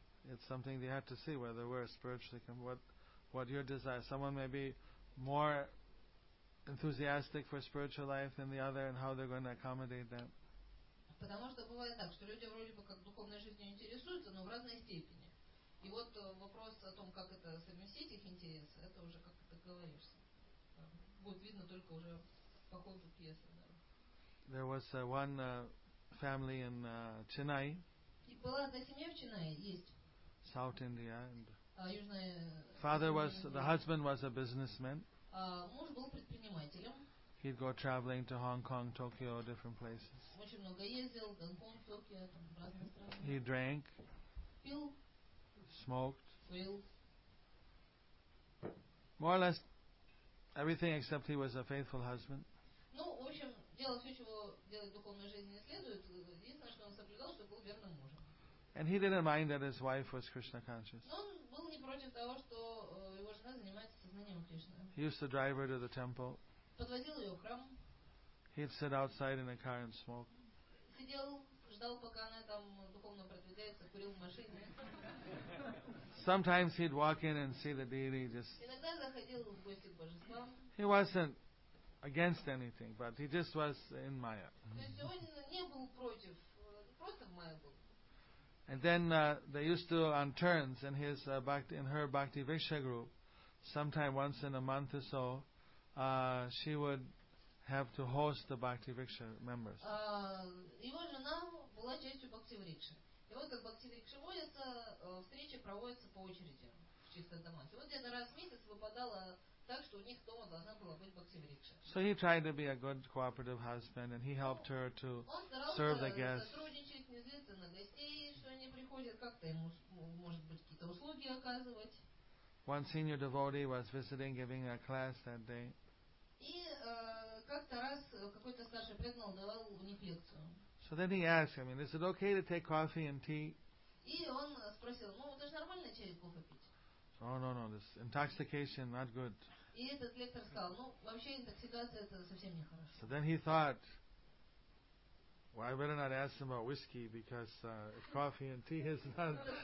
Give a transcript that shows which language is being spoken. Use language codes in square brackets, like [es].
[en] It's something they have to see whether we're spiritually what your desire. Someone may be more enthusiastic for spiritual life than the other, and how they're going to accommodate that. [ru] Потому что бывает так, что люди вроде бы как духовной жизнью интересуются, но в разной степени. И вот вопрос о том, как это совместить их интересы, это уже как ты говоришь. Будет видно только уже по ходу пьесы. Да. [en] There was one family in Chennai. [ru] И была одна семья в Ченнае, есть. [en] South India. And [ru] южная. [en] Father was [ru] Индия. [en] The husband was a businessman. [ru] Муж был предпринимателем. [en] He'd go traveling to Hong Kong, Tokyo, different places. [ru] Очень много ездил, Гонконг, Токио, там разные страны. [en] He drank. [ru] Пил. [en] Smoked. Will. More or less everything except he was a faithful husband. [ru] Ну, в общем, делал все, чего делать в духовной жизни не следует. Единственное, что он соблюдал, что был верным мужем. [en] And he didn't mind that his wife was Krishna conscious. [ru] Но он был не против того, что его жена занимается сознанием Кришны. [en] He used to drive her to the temple. [ru] Подвозил ее в храм. [en] He'd sit outside in a car and smoke. [ru] Сидел. Ждал, пока она там духовно продвигается, курил в машине. [en] Sometimes he'd walk in and see the deity just. [ru] Иногда заходил в гости к божествам. [en] He wasn't against anything, but he just was in Maya. [ru] То есть он не был против, просто в Maya был. [en] And then they used to on turns in his bhakti, in her bhakti viksha group, sometime once in a month or so, she would have to host the Bhakti Viksha members. [ru] Его жена была частью Бхакти Врикши. И вот как Бхакти Врикши водятся, встречи проводятся по очереди в чистых домах. И вот где-то раз в месяц выпадало так, что у них дома должна была быть Бхакти Врикши. [en] So he tried to be a good cooperative husband and he helped her to serve the guests. [ru] Он старался сотрудничать, не злиться на гостей, что они приходят, как-то ему, может быть, какие-то услуги оказывать. [en] One senior devotee was visiting, giving a class that day. [ru] И как-то раз какой-то старший преданный давал у них лекцию. [en] So then he asked, I mean, is it okay to take coffee and tea? [ru] И он спросил, ну, это же нормально чай и кофе пить? [en] Oh, no, this intoxication, not good. [ru] И этот лектор сказал, ну, вообще интоксикация это совсем не хорошо. [en] So then he thought, well, I better not ask him about whiskey, because if coffee and tea is not...